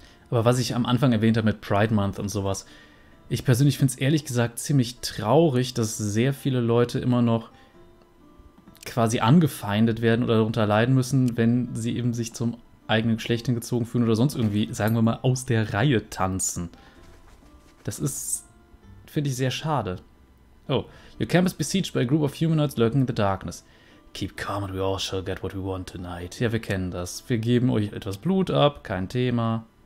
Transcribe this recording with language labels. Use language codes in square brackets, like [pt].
[de] Aber was ich am Anfang erwähnt habe mit Pride Month und sowas, ich persönlich finde es ehrlich gesagt ziemlich traurig, dass sehr viele Leute immer noch quasi angefeindet werden oder darunter leiden müssen, wenn sie eben sich zum eigenen Geschlecht hingezogen fühlen oder sonst irgendwie, sagen wir mal, aus der Reihe tanzen. Das ist, finde ich, sehr schade. [en] Oh, your camp is besieged by a group of humanoids lurking in the darkness. Keep calm and we all shall get what we want tonight. [de] Ja, wir kennen das. Wir geben euch etwas Blut ab, kein Thema.